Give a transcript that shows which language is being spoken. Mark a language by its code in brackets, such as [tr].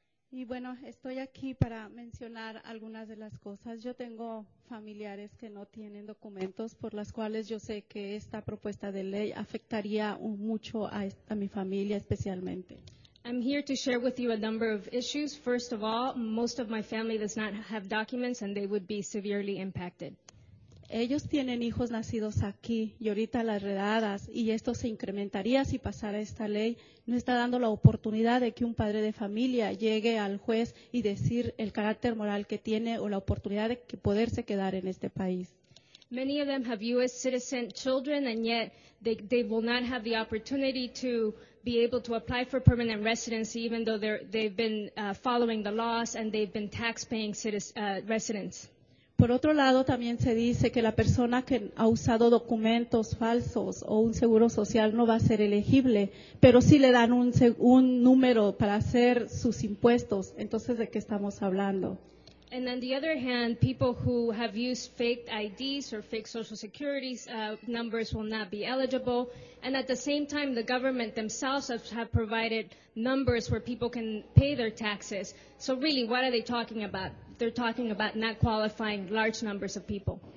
[es] Y bueno, estoy aquí para mencionar algunas de las cosas. Yo tengo familiares que no tienen documentos, por las cuales yo sé que esta propuesta de ley afectaría mucho a mi familia especialmente. [en] I'm here to share with you a number of issues. First of all, most of my family does not have documents, and they would be severely impacted. [es] Ellos tienen hijos nacidos aquí y ahorita las redadas, y esto se incrementaría si pasara esta ley. No está dando la oportunidad de que un padre de familia llegue al juez y decir el carácter moral que tiene o la oportunidad de que poderse quedar en este país. [en] Many of them have U.S. citizen children, and yet they will not have the opportunity to be able to apply for permanent residency, even though they've been following the laws and they've been taxpaying residents. [es] Por otro lado, también se dice que la persona que ha usado documentos falsos o un seguro social no va a ser elegible, pero sí le dan un número para hacer sus impuestos. Entonces, ¿de qué estamos hablando? [en] And on the other hand, people who have used fake IDs or fake social security numbers will not be eligible. And at the same time, the government themselves have provided numbers where people can pay their taxes. So really, what are they talking about? They're talking about not qualifying large numbers of people.